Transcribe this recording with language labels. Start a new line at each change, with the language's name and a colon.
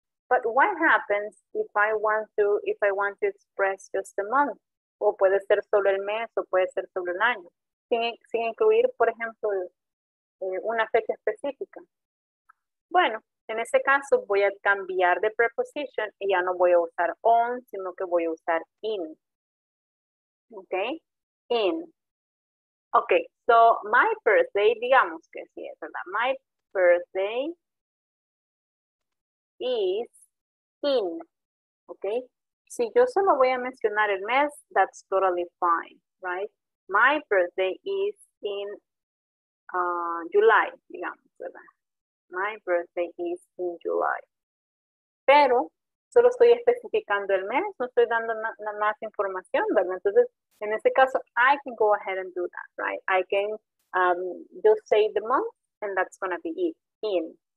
English: But what happens if I want to express just a month?
Spanish: O puede ser solo el mes, o puede ser solo el año. Sin incluir, por ejemplo, una fecha específica. Bueno, en ese caso voy a cambiar de preposition y ya no voy a usar on, sino que voy a usar in.
English: Okay, in. Okay, so my birthday,
Spanish: digamos que sí, es verdad.
English: My birthday is in.
Spanish: Okay, si yo solo voy a mencionar el mes,
English: that's totally fine, right? My birthday is in July,
Spanish: digamos, ¿verdad?
English: My birthday is in July.
Spanish: Pero solo estoy especificando el mes, no estoy dando más información, ¿verdad? Entonces, en ese caso,
English: I can go ahead and do that, right? I can just say the month, and that's going to be it, in.